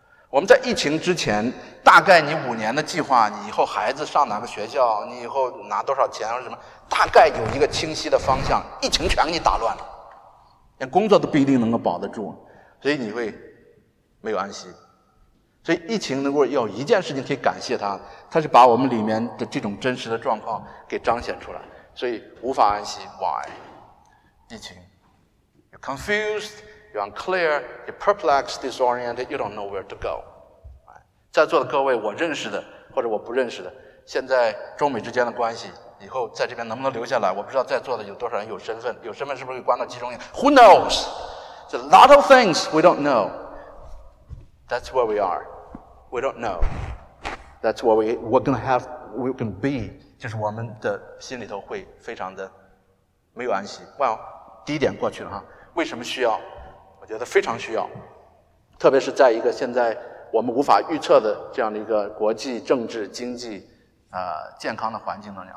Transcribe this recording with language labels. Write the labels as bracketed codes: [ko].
[zh] 我们在疫情之前，大概你五年的计划，你以后孩子上哪个学校，你以后拿多少钱或者什么，大概有一个清晰的方向。疫情全给你打乱了，连工作都不一定能够保得住，所以你会没有安息。所以疫情能够有一件事情可以感谢它，它是把我们里面的这种真实的状况给彰显出来，所以无法安息。 [en] Why? 疫情 You're confused, you're unclear, you're perplexed, disoriented, you don't know where to go。 [zh] 在座的各位，我认识的或者我不认识的，现在中美之间的关系，以后在这边能不能留下来，我不知道在座的有多少人有身份，有身份是不是会关到集中营？ [en] Who knows? There's a lot of things we don't knowThat's where we are. We don't know. That's what we're gonna have, we're gonna be. [zh] 就是我们的心里头会非常的没有安息。 Well, 第一点过去了哈。为什么需要？我觉得非常需要。特别是在一个现在我们无法预测的这样的一个国际政治经济健康的环境当中。